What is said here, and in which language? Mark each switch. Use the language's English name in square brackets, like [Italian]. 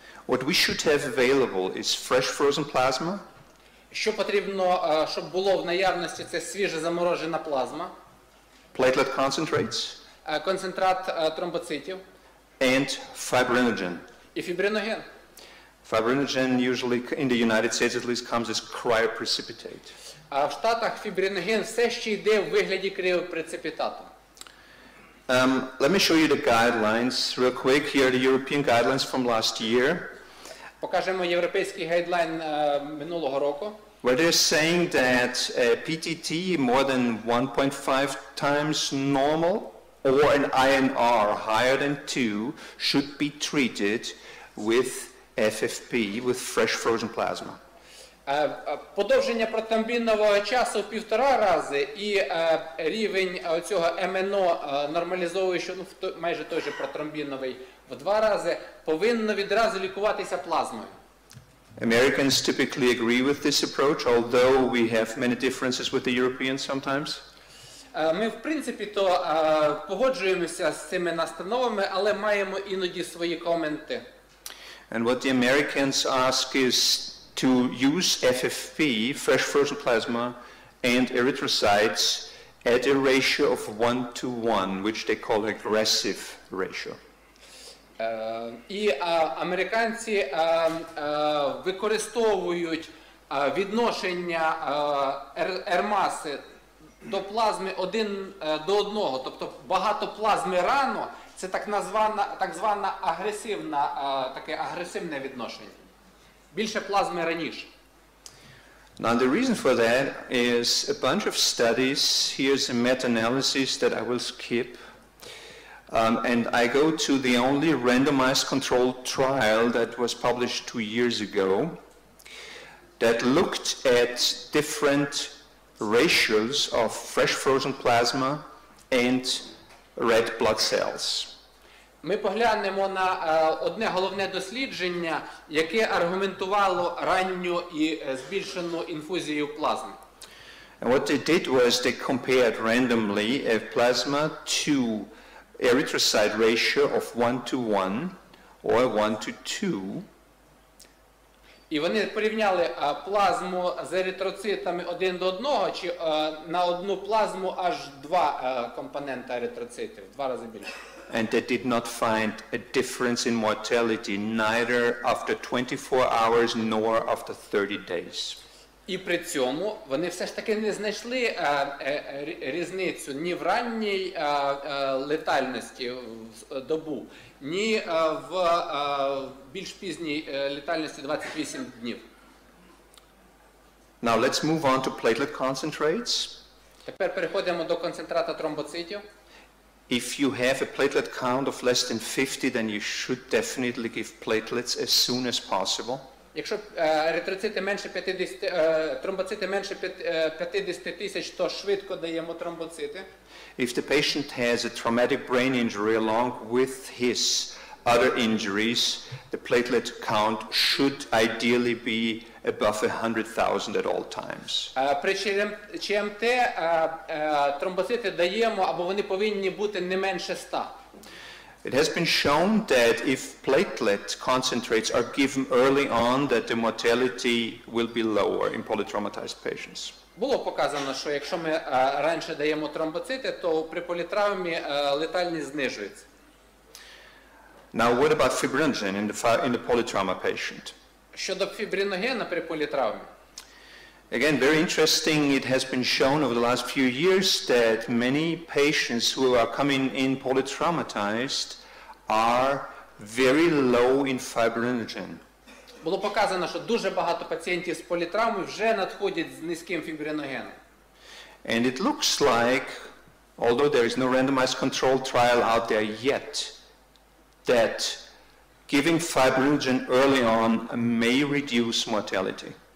[English] What we should have available is fresh frozen plasma. [Ukrainian] Що потрібно, щоб було в наявності, це свіже заморожена плазма. [English] Platelet concentrates. [Ukrainian] Концентрат тромбоцитів. [English] And fibrinogen. [Ukrainian] І фібриноген. [English] Fibrinogen usually in the United States at least comes as cryoprecipitate. [Ukrainian] А в Штатах фібриноген все ще йде в вигляді криопреципітату. [English] Let me show you the guidelines real quick. Here are the European guidelines from last year. [Ukrainian] Покажемо європейський гайдлайн минулого року. [English] Where they're saying that a PTT more than 1.5 times normal or an INR higher than 2 should be treated with FFP, with fresh frozen plasma. [Ukrainian] Подовження протромбінного часу в півтора рази і рівень цього МНО, нормалізовуючи майже той же протромбіновий, в два рази повинно відразу лікуватися плазмою. [English] Americans typically agree with this approach, although we have many differences with the Europeans sometimes. [Ukrainian] Ми, в принципі, то погоджуємося з цими настановами, але маємо іноді свої коменти. [English] And what the Americans ask is to use FFP, fresh frozen plasma, and erythrocytes at a ratio of 1:1, which they call aggressive ratio. [Ukrainian] І американці використовують відношення R-маси до плазми 1:1, тобто багато плазми рано, це так звана агресивна, таке агресивне відношення. Більше плазми раніше. [English] Now the reason for that is a bunch of studies, here's a meta-analysis that I will skip. And I go to the only randomized controlled trial that was published 2 years ago that looked at different ratios of fresh frozen plasma and red blood cells. [Ukrainian] Ми поглянемо на одне головне дослідження, яке аргументувало ранню і збільшену інфузію плазми. [English] And what they did was they compared randomly a plasma to erythrocyte ratio of 1:1 or 1:2. [Ukrainian] І вони порівняли плазму з еритроцитами 1:1 чи на одну плазму аж два компонента еритроцитів, два рази більше. [English] And they did not find a difference in mortality neither after 24 hours nor after 30 days. [Ukrainian] І при цьому вони все ж таки не знайшли різницю ні в ранній летальності в добу, ні в більш пізній летальності 28 днів. [English] Now let's move on to platelet concentrates. [Ukrainian] Тепер переходимо до концентрата тромбоцитів. [English] If you have a platelet count of less than 50, then you should definitely give platelets as soon as possible. [Ukrainian] Якщо еритроцити менше 50, тромбоцити менше 50 тисяч, то швидко даємо тромбоцити. [English] If the patient has a traumatic brain injury along with his other injuries, the platelet count should ideally be above 100,000 at all times. [Ukrainian] При ЧМТ тромбоцити даємо, або вони повинні бути не менше 100. [English] It has been shown that if platelet concentrates are given early on, that the mortality will be lower in polytraumatized patients. [Ukrainian] Було показано, що якщо ми раніше даємо тромбоцити, то при політравмі летальність знижується. [English] Now what about fibrinogen in the polytrauma patient? [Ukrainian] Щодо фібриногена при політравмі. [English] Again, very interesting, it has been shown over the last few years that many patients who are coming in polytraumatized are very low in fibrinogen. [Ukrainian] Було показано, що дуже багато пацієнтів з політравми вже надходять з низьким фібриногеном. [English] And it looks like, although there is no randomized controlled trial out there yet, that giving fibrinogen early on may reduce mortality.